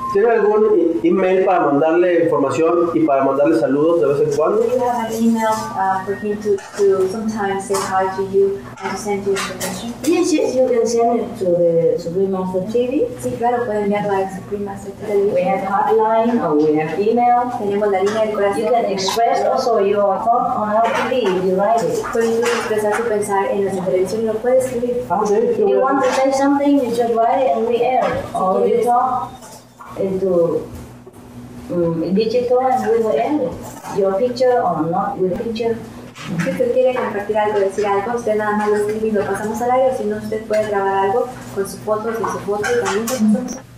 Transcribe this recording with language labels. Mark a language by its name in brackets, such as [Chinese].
[Spanish] ¿Tiene algún email para mandarle información y para mandarle saludos de vez en cuando? [English] We have an email for him to sometimes say hi to you and to send you information. Yes, yes, you can send it to the Supreme Master TV. [Spanish] Sí, claro, pueden enviar la Supreme Master TV. [English] We have hotline or we have email. [Spanish] Tenemos la línea del corazón. [English] You can express also your thought on our TV if you like it. [Spanish] Pueden expresar su pensar en nuestra televisión y lo puedes escribir. Ah, sí. [English] If you want to say something, you just write it and we air. Or you talk into digital and we will end it. Your picture or not your picture. [Spanish] Si usted quiere compartir algo, decir algo, usted nada más lo escribe y lo pasamos al aire, si no usted puede grabar algo con su foto, sin su foto, también lo pasamos.